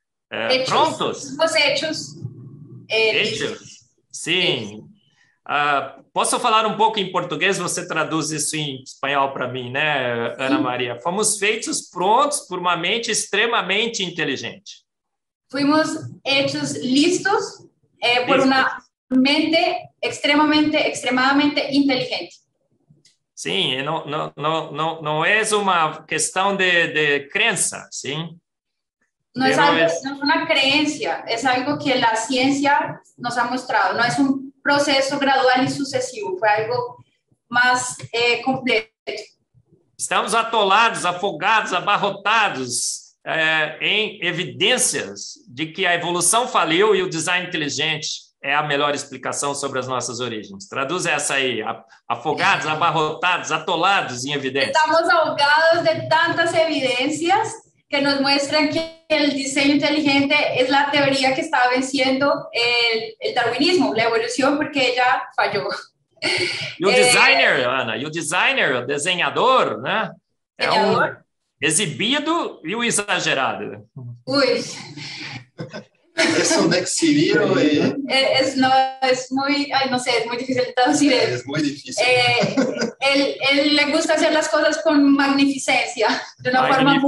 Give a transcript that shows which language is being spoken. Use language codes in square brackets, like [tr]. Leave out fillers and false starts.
[es] hechos. [pt] Prontos? Fomos [es] hechos. Hechos? [pt] Sim. Posso falar um pouco em português? Você traduz isso em espanhol para mim, né, Ana Sim. Maria? Fomos feitos prontos por uma mente extremamente inteligente. [es] Fomos hechos listos por Listos. [pt] Uma mente extremamente inteligente. Sim, não é uma questão de crença, sim? [es] No es algo, no es una creencia, es algo que la ciencia nos ha mostrado. No es un proceso gradual y sucesivo, fue algo más completo. [pt] Estamos atolados, afogados, abarrotados em evidências de que a evolução falhou e o design inteligente é a melhor explicação sobre as nossas origens. Traduz essa aí, afogados, abarrotados, atolados em evidências. [es] Estamos ahogados de tantas evidências que nos muestran que el diseño inteligente es la teoría que está venciendo el darwinismo, la evolución, porque ella falló. [pt] E o designer, Ana, e o designer, o desenhador, né? É um exibido e o exagerado. Ui. Isso onde é que se viu aí? Não, é muito... Ai, não sei, é muito difícil de traduzir. É muito difícil. Ele gosta de fazer as coisas com magnificência, de uma forma muito...